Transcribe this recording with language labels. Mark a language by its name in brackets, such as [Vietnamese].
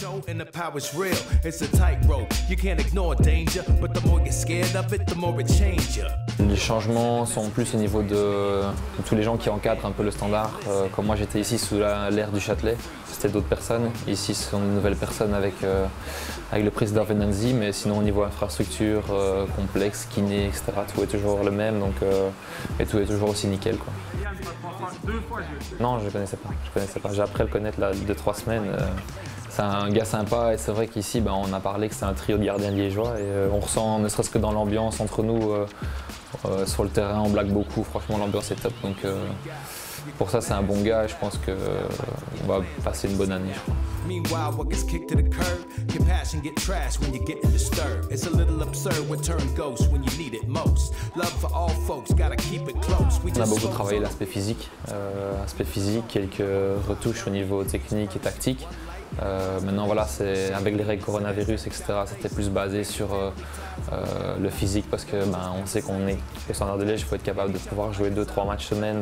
[English] Show and the power's real, it's a tight rope. You can't ignore danger, but the more you're scared of it, the more it change you. [French] Les changements sont plus au niveau de tous les gens qui encadrent un peu le Standard. Comme moi, j'étais ici sous l'ère du Châtelet, c'était d'autres personnes. Ici, ce sont de nouvelles personnes avec le président Venanzi, mais sinon, au niveau infrastructure, complexe, kiné, etc., tout est toujours le même, donc, et tout est toujours aussi nickel, quoi. Non, je ne connaissais pas. J'ai appris à le connaître là, 2-3 semaines. C'est un gars sympa et c'est vrai qu'ici, ben, on a parlé que c'est un trio de gardiens liégeois et on ressent, ne serait-ce que dans l'ambiance entre nous, sur le terrain, on blague beaucoup. Franchement, l'ambiance est top. Donc, pour ça, c'est un bon gars et je pense qu'on va passer une bonne année, je crois. [English] Meanwhile, what gets kicked to the curb? Compassion get trashed when you're getting disturbed. It's a little absurd when turn ghost when you need it most. Love for all folks, gotta keep it close. [French] On a beaucoup travaillé l'aspect physique. Quelques retouches au niveau technique et tactique. Maintenant, voilà, c'est avec les règles coronavirus, etc., c'était plus basé sur le physique parce que ben, on sait qu'on est au Standard de Liège, il faut être capable de pouvoir jouer 2-3 matchs semaine.